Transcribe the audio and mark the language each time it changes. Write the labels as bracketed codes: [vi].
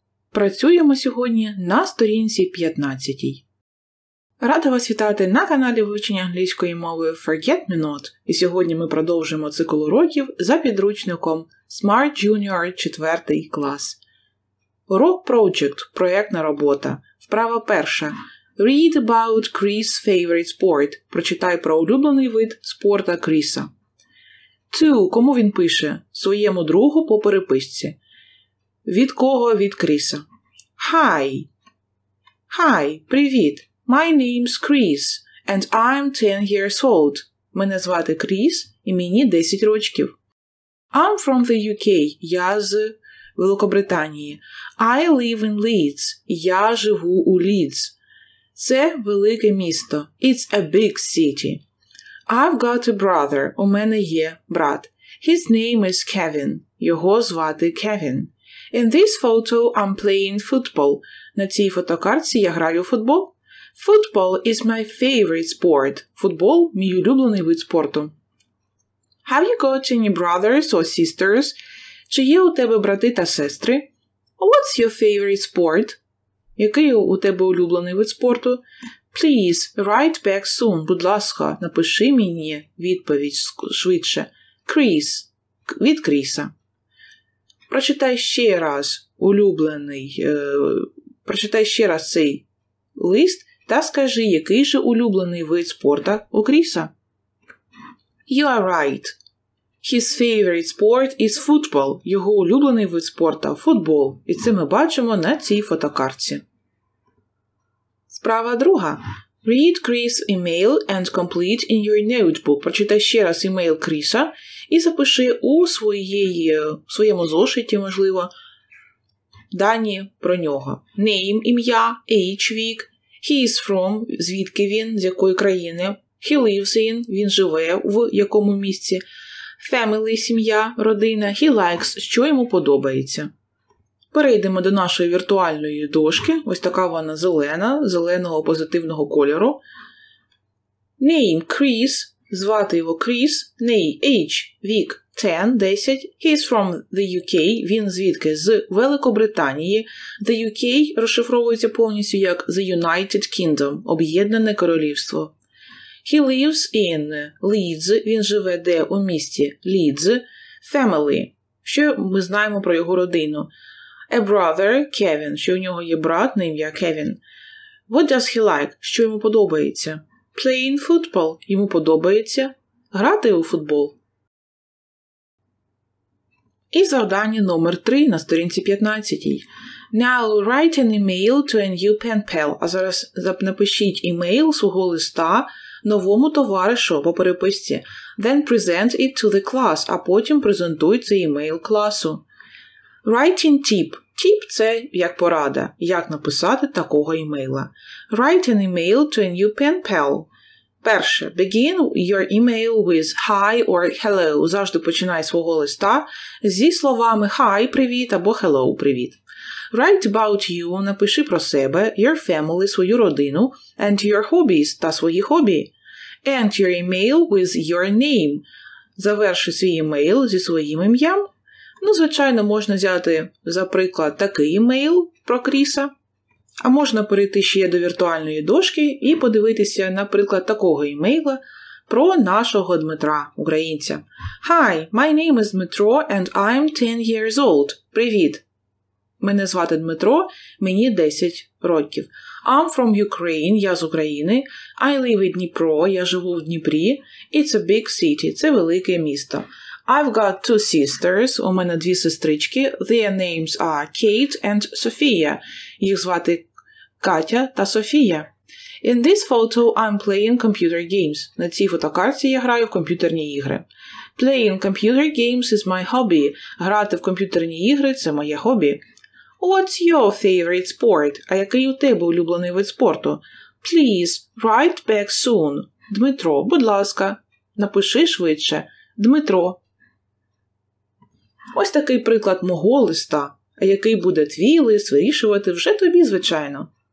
[uk] Працюємо сьогодні на сторінці 15. Рада вас вітати на каналі вивчення англійської мови Forget Me Not. І сьогодні ми продовжимо цикл уроків за підручником Smart Junior 4 клас. Урок Project. Проєктна робота. Вправа перша. [en] Read about Chris' favorite sport. [uk] Прочитай про улюблений вид спорту Кріса. 2. Кому він пише? Своєму другу по переписці. Від кого? Від Кріса. [en] Hi. Hi. [uk] Привіт. [en] My name's Chris and I'm 10 years old. [uk] Мене звати Кріс і мені 10 рочків. [en] I'm from the UK. [uk] Я з Великобританії. [en] I live in Leeds. [uk] Я живу у Leeds. Це велике місто. [en] It's a big city. I've got a brother. [uk] У мене є брат. [en] His name is Kevin. [uk] Його звати Kevin. [en] In this photo I'm playing football. [uk] На цій фотокартці я граю футбол. [en] Football is my favorite sport. [uk] Футбол – мій улюблений вид спорту. [en] Have you got any brothers or sisters? [uk] Чи є у тебе брати та сестри? [en] What's your favorite sport? [uk] Який у тебе улюблений вид спорту? [en] Please, write back soon. [uk] Будь ласка, напиши мені відповідь швидше. Chris. Від Кріса. Прочитай ще раз улюблений. Прочитай ще раз цей лист та скажи, який же улюблений вид спорту у Кріса. [en] You are right. His favorite sport is football. [uk] Його улюблений вид спорту – футбол. І це ми бачимо на цій фотокартці. Справа друга. [en] Read Chris' email and complete in your notebook. [uk] Прочитай ще раз email Кріса і запиши у своєму зошиті, можливо, дані про нього. Name – ім'я, age – вік, [en] he is from [uk] – звідки він, з якої країни, [en] he lives in [uk] – він живе в якому місці, family – сім'я, родина, [en] he likes [uk] – що йому подобається. Перейдемо до нашої віртуальної дошки. Ось така вона зелена, зеленого позитивного кольору. [en] Name – Chris. [uk] Звати його Chris. [en] Name – age – вік – 10, 10. He is from the UK. [uk] Він звідки? З Великобританії. The UK розшифровується повністю як [en] The United Kingdom [uk] – Об'єднане Королівство. [en] He lives in Leeds. [uk] Він живе де? У місті Leeds. [en] Family. [uk] Що ми знаємо про його родину? [en] A brother, Kevin. [uk] Що у нього є брат, на ім'я Kevin. [en] What does he like? [uk] Що йому подобається? [en] Playing football. [uk] Йому подобається грати у футбол. І завдання номер 3 на сторінці 15. [en] Now write an email to a new pen pal. [uk] А зараз напишіть email свого листа новому товаришу по переписці. [en] Then present it to the class. [uk] А потім презентуй цей email класу. [en] Writing tip. [uk] Тіп – це як порада, як написати такого імейла. [en] Write an email to a new pen pal. [uk] Перше. [en] Begin your email with hi or hello. [uk] Завжди починай свого листа зі словами hi – привіт або hello – привіт. [en] Write about you – [uk] напиши про себе, [en] your family – [uk] свою родину, [en] and your hobbies – [uk] та свої хобі. [en] End your email with your name. [uk] Заверши свій імейл зі своїм ім'ям. Ну, звичайно, можна взяти, за приклад, такий імейл про Кріса. А можна перейти ще до віртуальної дошки і подивитися, наприклад, такого імейла про нашого Дмитра, українця. [en] Hi, my name is Dmitro and I'm 10 years old. [uk] Привіт. Мене звати Дмитро, мені 10 років. [en] I'm from Ukraine, [uk] я з України. [en] I live in Dnipro, [uk] я живу в Дніпрі. [en] It's a big city, [uk] це велике місто. [en] I've got two sisters, [uk] у мене дві сестрички. [en] Their names are Kate and Sophia. [uk] Їх звати Катя та Софія. [en] In this photo I'm playing computer games. [uk] На цій фотокартці я граю в комп'ютерні ігри. [en] Playing computer games is my hobby. [uk] Грати в комп'ютерні ігри – це моє хобі. [en] What's your favorite sport? [uk] А який у тебе улюблений вид спорту? [en] Please, write back soon. [uk] Дмитро, будь ласка, напиши швидше. Дмитро. Ось такий приклад мого листа. А який буде твій лист вирішувати вже тобі, звичайно.